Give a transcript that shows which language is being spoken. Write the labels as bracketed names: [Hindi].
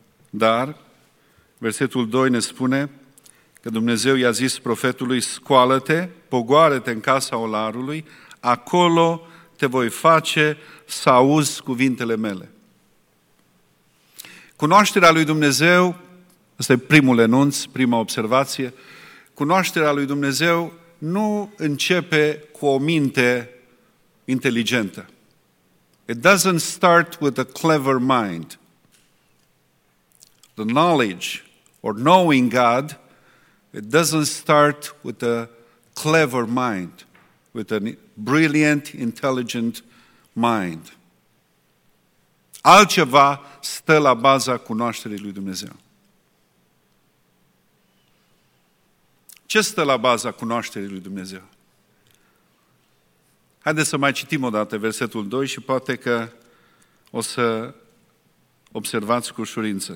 [Romanian] Dar, versetul 2 ne spune că Dumnezeu i-a zis profetului: scoală-te, pogoară-te în casa olarului, acolo te voi face să auzi cuvintele mele. Cunoașterea lui Dumnezeu, ăsta e primul enunț, prima observație, cunoașterea lui Dumnezeu nu începe cu o minte inteligentă. [English] It doesn't start with a clever mind. The knowledge or knowing God, it doesn't start with a clever mind, with a brilliant, intelligent mind. [Romanian] Altceva stă la baza cunoașterii lui Dumnezeu. Ce stă la baza cunoașterii lui Dumnezeu? Haideți să mai citim o dată versetul 2 și poate că o să observați cu ușurință.